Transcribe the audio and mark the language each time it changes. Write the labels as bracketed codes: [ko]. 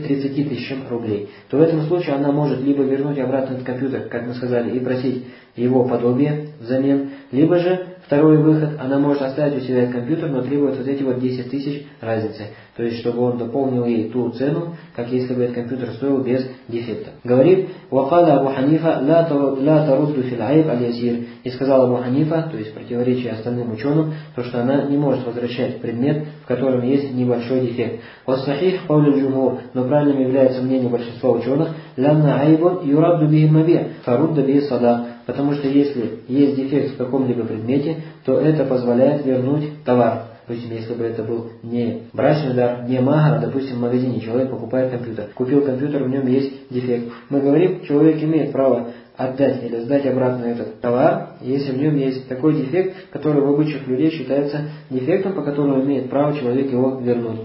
[ru] 30 тысячам рублей. То в этом случае она может либо вернуть обратно этот компьютер, как мы сказали, и просить его подобие взамен, либо же второй выход, она может оставить у себя компьютер, но требует вот эти вот 10 тысяч разницы. То есть, чтобы он дополнил ей ту цену, как если бы этот компьютер стоил без дефекта. Говорит, [ar] وَقَالَ أَبُوْ حَنِيفَ لَا تَرُدُّ فِي الْعَيْبِ الْيَسِيرِ. [ru] И сказал Абу Ханифа, то есть в противоречии остальным ученым, то что она не может возвращать предмет, в котором есть небольшой дефект. [ar] وَصَحِيحُ قَوْلُ الْجُمْهُورِ. [ru] Но правильным является мнение большинства ученых, [ar] لَنَّ عَيْبٌ يُرَدُّ بِهِ مَبِيعٌ فَرُدَّ بِهِ صَدَقَةٌ. [ru] Потому что если есть дефект в каком-либо предмете, то это позволяет вернуть товар. Допустим, если бы это был не брачный дар, не махр, а, допустим, в магазине человек покупает компьютер. Купил компьютер, в нем есть дефект. Мы говорим, человек имеет право отдать или сдать обратно этот товар, если в нем есть такой дефект, который в обычных людей считается дефектом, по которому имеет право человек его вернуть.